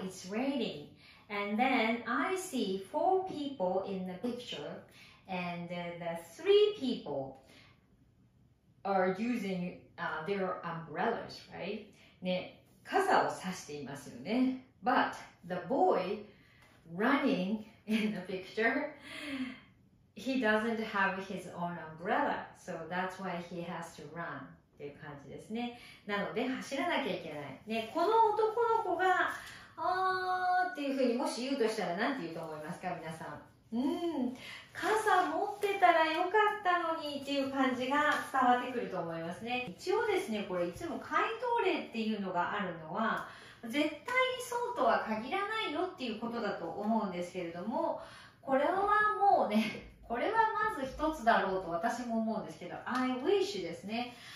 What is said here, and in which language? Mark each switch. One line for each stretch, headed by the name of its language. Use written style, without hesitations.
English: It's rainingAnd then I see four people in the picture, and the three people are using、their umbrellas, right?
Japanese: ね、傘を差していますよね。
English: But the boy running in the picture, he doesn't have his own umbrella, so that's why he has to run.
Japanese: っていう感じですね。なので走らなきゃいけない、ね、この男の子がああっていうふうにもし言うとしたら何て言うと思いますか皆さん。うん、傘持ってたらよかったのにっていう感じが伝わってくると思いますね。一応ですねこれいつも回答例っていうのがあるのは絶対にそうとは限らないよっていうことだと思うんですけれども、これはもうねこれはまず一つだろうと私も思うんですけど、
English: I wish
Japanese: ですね。